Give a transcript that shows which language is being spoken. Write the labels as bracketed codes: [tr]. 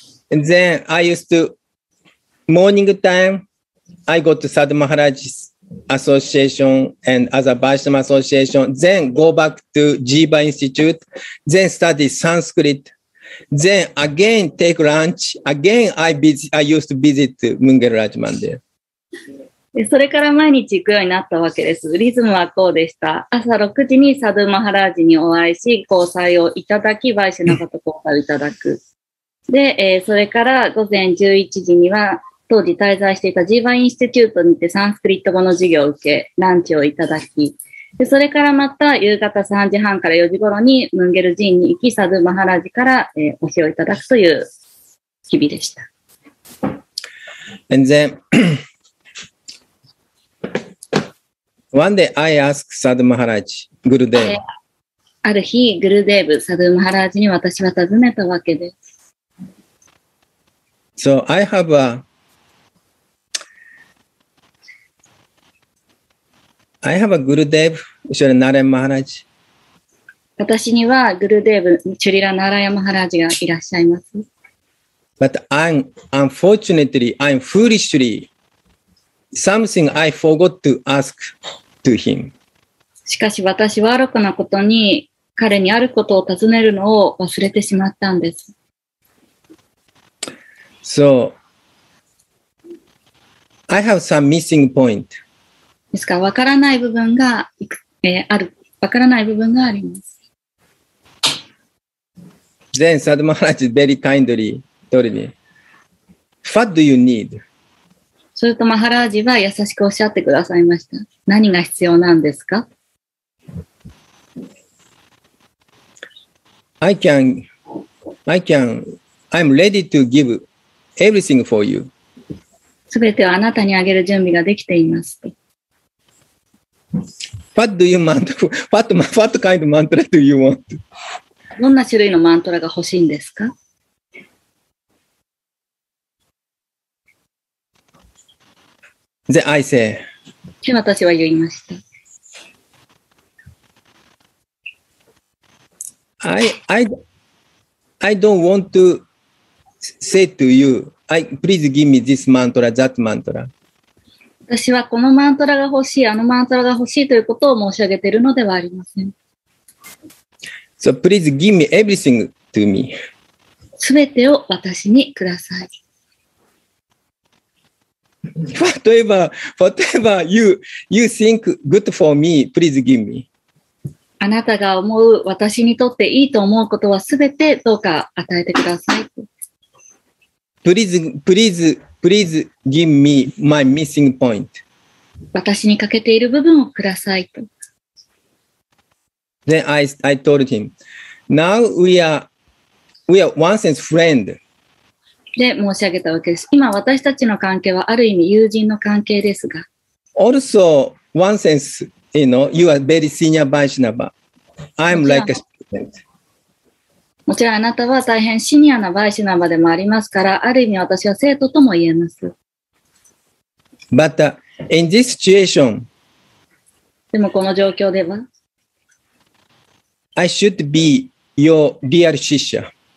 [en] And then I used to, morning time, I go to Sadhu Maharaj's association and other Vaishnava association, then go back to Jiva Institute, then study Sanskrit, then again take lunch, again I used to visit Munger Raj Mandir. [ja] それから毎日行くようになったわけです。リズムはこうでした。朝6時にサドゥマハラージにお会いし、交際をいただき、バイシュナバと交際をいただく。で、それから午前11時には、当時滞在していたジーバインスティテュートにてサンスクリット語の授業を受け、ランチをいただき、でそれからまた夕方3時半から4時頃にムンゲル寺院に行き、サドゥマハラジから、お教えをいただくという日々でした。 [en] And then, one day I asked サドゥマハラジ、グルデーブ。 [ja] ある日、グルデーブ、サドゥマハラジに私は尋ねたわけです。 [en] So I have aI have a Gurudev, Shri Narayan Maharaj. [ja] 私にはグルデーブ、チュリラ・ナラヤ・マハラジがいらっしゃいます。 [en] But unfortunately, foolishly, something I forgot to ask to him. [ja] しかし私は愚かなことに彼にあることを尋ねるのを忘れてしまったんです。 So, I have some missing point. ですから、分からない部分があります。 [en] Then Sadhu Maharaj very kindly told me, What do you need? [ja] すると、マハラージは優しくおっしゃってくださいました。何が必要なんですか? [en] I'm ready to give everything for you. [ja] すべてをあなたにあげる準備ができています。 [en] What do you want? What kind of mantra do you want? [ja] どんな種類のマントラが欲しいんですか? [en] The I say. [ja] で、私は言いました。 [en] I don't want to say to you. Please give me this mantra, that mantra. [ja] 私はこのマントラが欲しい、あのマントラが欲しいということを申し上げているのではありません。 [en] So please give me everything to me. [ja] すべてを私にください。 [en] Whatever you think good for me, please give me. [ja] あなたが思う私にとっていいと思うことはすべてどうか与えてください。 [en] Please Please give me my missing point. [ja] 私に欠けている部分をくださいと。 [en] Then I told him, now we are one sense friend. [ja] で申し上げたわけです。今私たちの関係はある意味友人の関係ですが。 [en] Also, one sense, you know, you are very senior Vaishnava. I'm like a student. [ja] もちろんあなたは大変シニアなバイシナバでもありますから、ある意味私は生徒とも言えます。 [en] But, in this situation, [ja] でもこの状況では、 [en] I should be your real shisha.